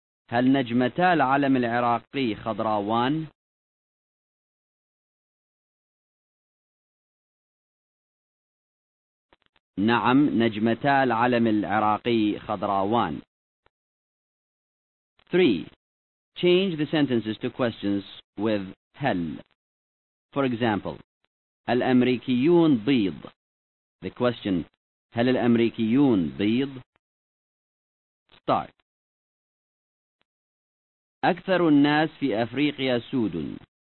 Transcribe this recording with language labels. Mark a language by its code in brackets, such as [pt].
[ar] هل نجمتا العلم العراقي خضراوان؟ نعم نجمتا العلم العراقي خضراوان. [en] 3. Change the sentences to questions with هل. For example, [ar] الأمريكيون بيض. [en] The question, [ar] هل الأمريكيون بيض؟ [en] Start. [ar] أكثر الناس في أفريقيا سود.